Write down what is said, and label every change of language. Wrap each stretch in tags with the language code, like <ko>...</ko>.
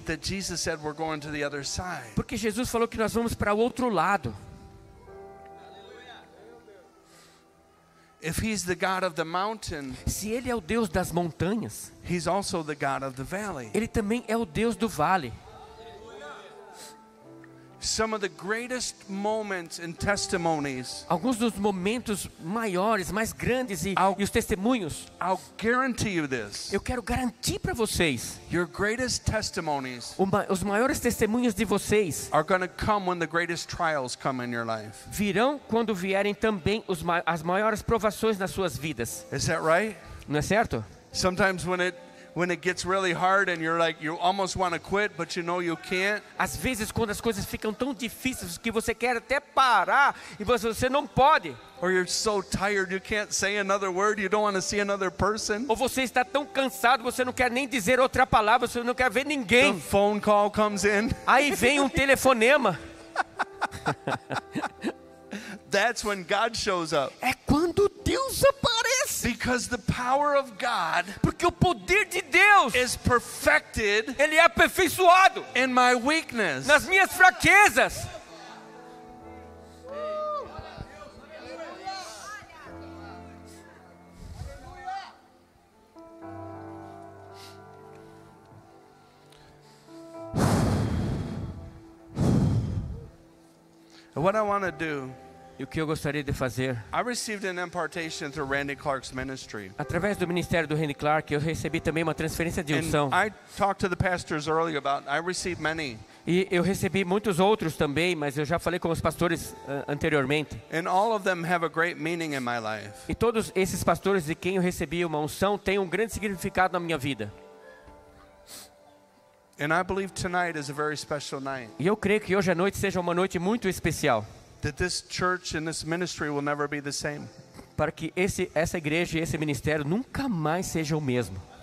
<en>That Jesus said we're going to the other side.</en> <pt>Porque Jesus falou que nós vamos para o outro lado.</pt> <en>If he's the God of the mountain,</en> <pt>se ele é o Deus das montanhas,</pt> <en>he's also the God of the valley.</en> <pt>Ele também é o Deus do vale.</pt> <en>Some of the greatest moments and testimonies.</en> <pt>Alguns dos momentos maiores, mais grandes e os testemunhos.</pt> <en>I'll guarantee you this.</en> <pt>Eu quero garantir para vocês.</pt> <en>Your greatest testimonies.</en> <pt>Os maiores testemunhos de vocês.</pt> <en>Are going to come when the greatest trials come in your life.</en> <pt>Virão quando vierem também as maiores provações nas suas vidas.</pt> <en>Is that right?</en> <pt>Não é certo?</pt> <en>Sometimes when it gets really hard and you're like you almost want to quit but you know you can't.</en> <pt>Às vezes quando as coisas ficam tão difíceis que você quer até parar e você não pode.</pt> <en>Or you're so tired you can't say another word, you don't want to see another person.</en> <pt>Ou você está tão cansado, você não quer nem dizer outra palavra, você não quer ver ninguém.</pt> <en>The phone call comes in.</en> <pt>Aí vem telefonema.</pt> <en>That's when God shows up.</en> <pt>É quando Deus aparece.</pt> <en>Because the power of God.</en> <pt>Porque o poder de Deus.</pt> <en>Is perfected.</en> <pt>Ele é aperfeiçoado.</pt> <en>In my weakness.</en> <pt>Nas minhas fraquezas.</pt> <en>What I want to do.</en> <pt>E o que eu gostaria de fazer?</pt> <en>I received an impartation through Randy Clark's ministry.</en> <pt>Através do ministério do Randy Clark, eu recebi também uma transferência de unção.</pt> <en>I talked to the pastors earlier about I received many.</en> <pt>E eu recebi muitos outros também, mas eu já falei com os pastores anteriormente.</pt> <en>And all of them have a great meaning in my life.</en> <pt>E todos esses pastores de quem eu recebi uma unção têm um grande significado na minha vida.</pt> <en>And I believe tonight is a very special night.</en> <pt>E eu creio que hoje à noite seja uma noite muito especial.</pt> <en>That this church and this ministry will never be the same.</en> <pt>Para que essa igreja e esse ministério nunca mais sejam o mesmo.</pt>